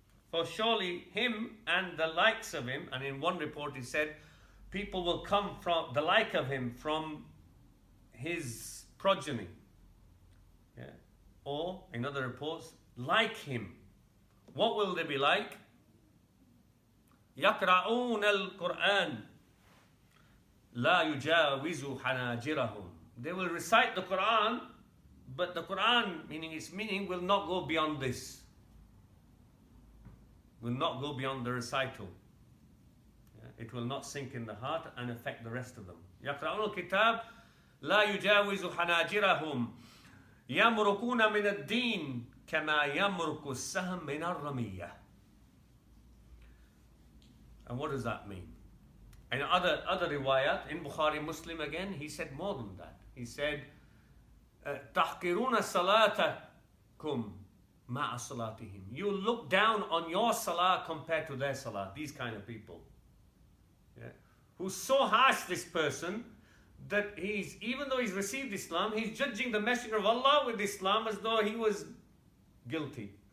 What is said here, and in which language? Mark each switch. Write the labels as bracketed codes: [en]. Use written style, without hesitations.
[en] For surely him and the likes of him, and in one report he said, people will come from the like of him from his progeny, yeah. Or in other reports, like him. What will they be like? [ar] يقرؤون القرآن لا يجاوز حناجرهم. [en] They will recite the Quran, but the Quran, meaning its meaning, will not go beyond this. Will not go beyond the recital. Yeah. It will not sink in the heart and affect the rest of them. [ar] يقرؤون الكتاب لا يجاوز حناجرهم يمرقون من الدين كما يمرق السهم من الرمية. [en] And what does that mean? In other riwayat, in Bukhari Muslim again, he said more than that. He said, [ar] تحقرون صلاتكم مع صلاتهم. [en] You look down on your salah compared to their salah. These kind of people. Yeah. Who's so harsh, this person, that he's, even though he's received Islam, he's judging the Messenger of Allah with Islam as though he was guilty.